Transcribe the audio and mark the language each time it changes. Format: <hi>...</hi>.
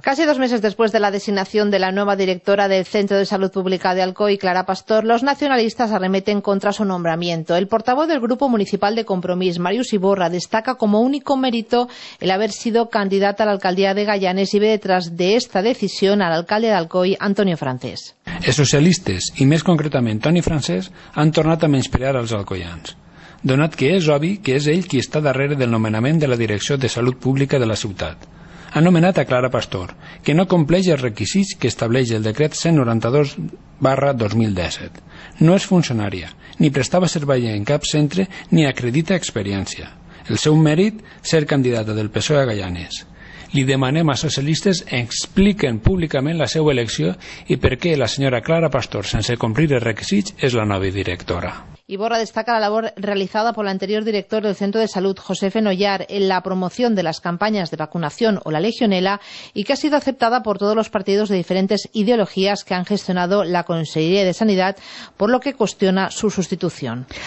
<es>Casi dos meses después de la designación de la nueva directora del Centro de Salud Pública de Alcoy, Clara Pastor, los nacionalistas arremeten contra su nombramiento. El portavoz del Grupo Municipal de Compromís, Marius Iborra, destaca como único mérito el haber sido candidata a la alcaldía de Gallanes y ve detrás de esta decisión al alcalde de Alcoy, Antonio Francés.</es> <ca>Els socialistes, i més concretament Toni Francés, han tornat a menysprear els alcoians, donat que és obvi que és ell qui està darrere del nomenament de la Direcció de Salut Pública de la ciutat. Ha nomenat a Clara Pastor, que no compleix els requisits que estableix el decret 192/2017. No és funcionària, ni prestava servei en cap centre, ni acredita experiència. El seu mèrit, ser candidata del PSOE a Gallanes. Li demanem a socialistes expliquen públicament la seva elecció i per què la senyora Clara Pastor, sense complir els requisits, és la nova directora.</ca> <es>Iborra destaca la labor realizada por el anterior director del Centro de Salud, José Fenollar, en la promoción de las campañas de vacunación o la legionela y que ha sido aceptada por todos los partidos de diferentes ideologías que han gestionado la Consejería de Sanidad, por lo que cuestiona su sustitución.</es>